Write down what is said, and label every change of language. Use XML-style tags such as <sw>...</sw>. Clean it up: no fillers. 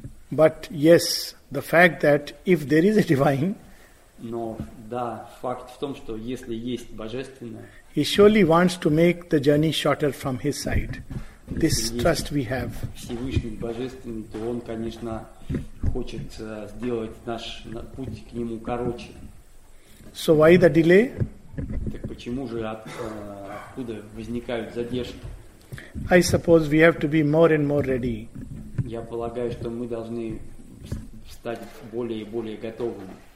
<en>But yes, the fact that if there is a divine,</en> <ru>но да, факт в том, что если есть божественное,</ru> <en>he surely wants to make the journey shorter from his side. This trust we have.</en> <ru>Всевышний божественный, то он, конечно, хочет сделать наш путь к нему короче.</ru> <en>So why the delay?</en> <ru>Так почему же откуда возникают задержки?</ru> <en>I suppose we have to be more and more ready.</en> <ru>Я полагаю, что мы должны стать более и более готовыми.</ru>